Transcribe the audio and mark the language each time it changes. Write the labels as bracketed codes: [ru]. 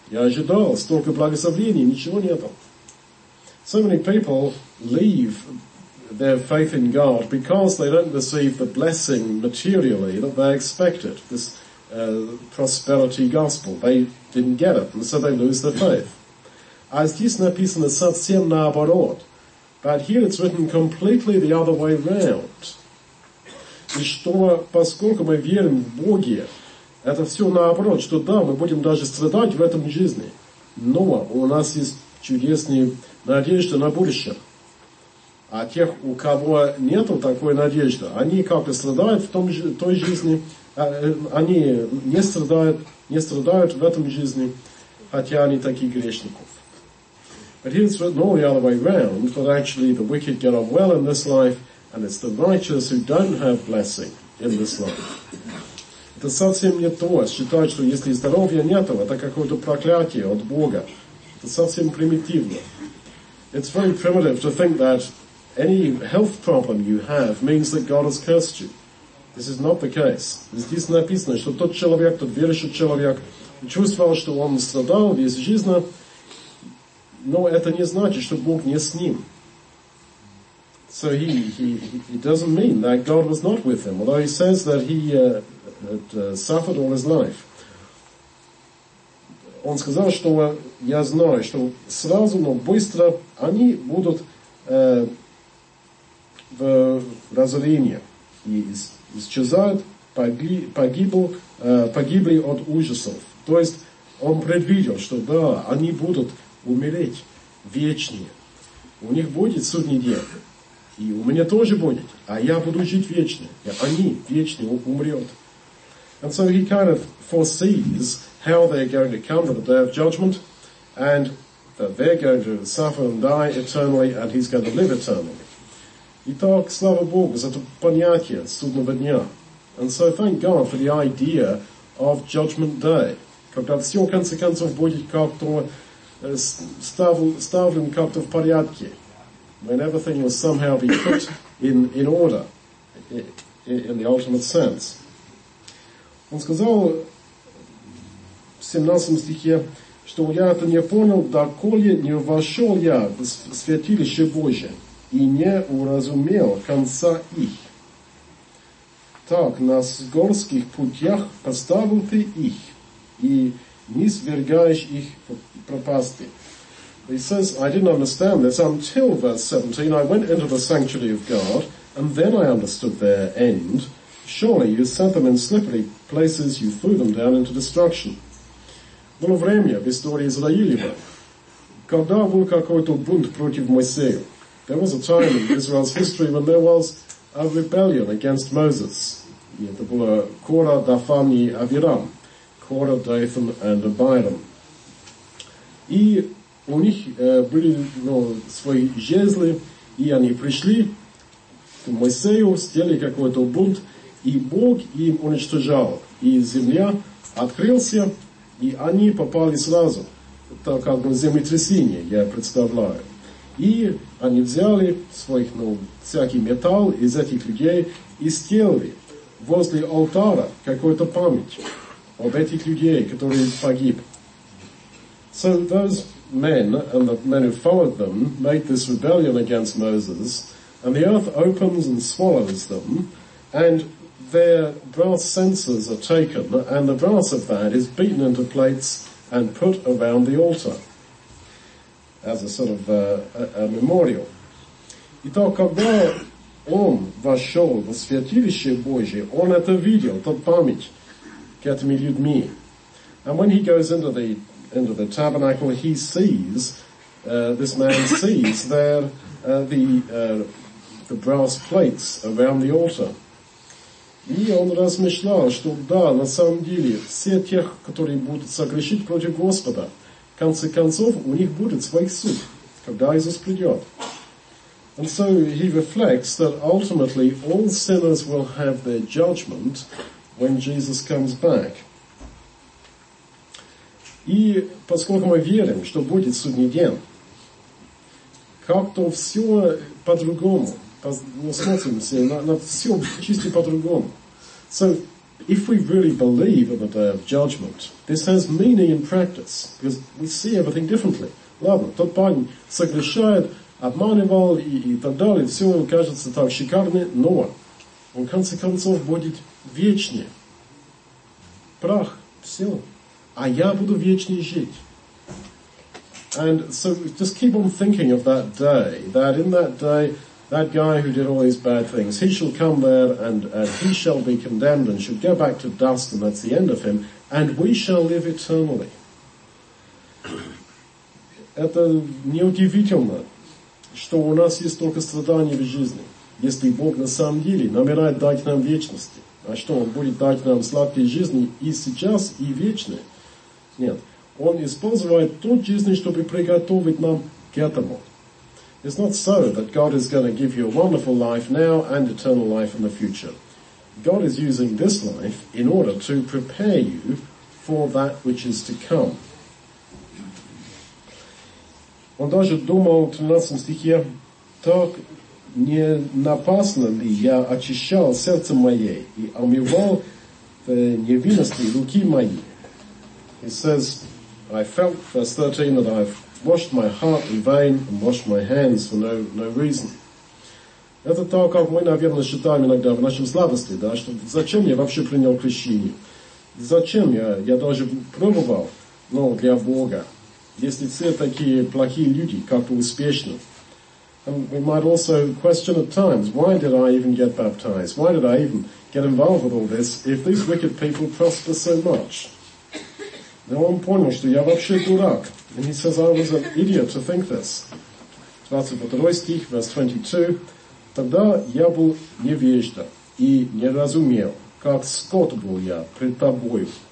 [ru] Я ожидал столько благословений, ничего нет. [en] So many people leave their faith in God because they don't receive the blessing materially that they expected. This prosperity gospel. They didn't get it, and so they lose their faith. [ru] А здесь написано совсем наоборот. [en] But here it's written completely the other way round. [ru] И что, поскольку мы верим в Бога, это все наоборот, что да, мы будем даже страдать в этом жизни, но у нас есть чудесные надежды на будущее. А тех, у кого нет такой надежды, они как-то страдают в той жизни, они не страдают в этом жизни, хотя они такие грешники. [en] But here it's written all the other way round, that actually the wicked get on well in this life, and it's the righteous who don't have blessing in this life. [ru] Это совсем не то, считать, что если здоровья нет, это какое-то проклятие от Бога. Это совсем примитивно. [en] It's very primitive to think that any health problem you have means that God has cursed you. This is not the case. [ru] Здесь написано, что тот человек, тот верующий человек, чувствовал, что он страдал весь жизнь, но это не значит, что Бог не с ним. [en] So he doesn't mean that God was not with him, although he says that he had suffered all his life. [ru] Он сказал, что я знаю, что сразу, но быстро они будут в разорении и исчезают, погибли от ужасов. То есть он предвидел, что да, они будут умереть вечнее. У них будет судный день. И у меня тоже будет. А я буду жить вечно. И они вечно умрет. [en] And so he kind of foresees how they're going to come to the day of judgment. and that they're going to suffer and die eternally, and he's going to live eternally. [ru] Итак, слава Богу за это понятие судного дня. [en] And so thank God for the idea of Judgment Day. [ru] Когда все в конце концов будет как-то ставлен как-то в порядке. [en] When everything will somehow be put in order, in the ultimate sense. [ru] Он сказал в 17 стихе, что я это не понял, доколе не вошел я в святилище Божие и не уразумел конца их. Так, на горских путях поставил ты их и низвергаешь их в пропасти. [en] He says, I didn't understand this until verse 17. I went into the sanctuary of God, and then I understood their end. Surely you set them in slippery places, you threw them down into destruction. [ru] Было время в истории Израилева, когда был какой-то бунт против Моисея. [en] There was a time in Israel's history when there was a rebellion against Moses. [ru] Это было Кора, Дафан и Авирам. Кора, Дафан и Авирам. И у них были свои жезлы, и они пришли к Моисею, сделали какой-то бунт, и Бог им уничтожал. И земля открылся, и они попали сразу. Это как бы землетрясение, я представляю. И они взяли своих, всякий металл из этих людей и сделали возле алтаря какую-то память об этих людей, которые погиб. [en] So those men and the men who followed them made this rebellion against Moses, and the earth opens and swallows them, and their brass censers are taken, and the brass of that is beaten into plates and put around the altar as a sort of a memorial. [ru] Итак, когда он вошел в святилище Божие, он это видел, это память к этими людьми. [en] And when he goes into the tabernacle, he sees, this man sees there the brass plates around the altar. [ru] И он размышлял, что да, на самом деле, все тех, которые будут согрешить против Господа, в конце концов, у них будет свой суд, когда Иисус придет. [en] And so he reflects that ultimately all sinners will have their judgment when Jesus comes back. [ru] И поскольку мы верим, что будет судный день, как-то все по-другому. Мы смотримся на все чисто по-другому. [en] So, if we really believe in the day of judgment, this has meaning in practice, because we see everything differently. [ru] Ладно, тот парень согрешает, обманывал и так далее, все кажется так шикарно, но он, в конце концов, будет вечный. Прах, все. А я буду вечный жить. [en] And so, just keep on thinking of that day, that in that day, that guy who did all these bad things, he shall come there and he shall be condemned and shall go back to dust and that's the end of him, and we shall live eternally. [ru] Это неудивительно, что у нас есть только страдания в жизни, если Бог на самом деле намерает дать нам вечности. А что, Он будет дать нам сладкие жизни и сейчас, и вечные? Нет. Он использует ту жизнь, чтобы приготовить нам к этому. [en] It's not so that God is going to give you a wonderful life now and eternal life in the future. God is using this life in order to prepare you for that which is to come. [ru] Он даже думал в 13 стихе, так не напасно ли я очищал сердце мое и омывал в невинности руки мои. [en] He says, I felt, verse 13, that I've washed my heart in vain and washed my hands for no reason. [ru] Это то, как мы, наверное, считаем иногда в нашем слабости, да, что зачем я вообще принял крещение? Зачем я даже пробовал, для Бога, если все такие плохие люди, как бы успешно? [en] And we might also question at times, why did I even get baptized? Why did I even get involved with all this if these wicked people prosper so much? [ru] Но он понял, что я вообще дурак. [en] And he says, I was an idiot to think this. [ru] 22 стих, [en] verse 22. [ru] Тогда я был невежда и не разумел, как скот был я пред тобою.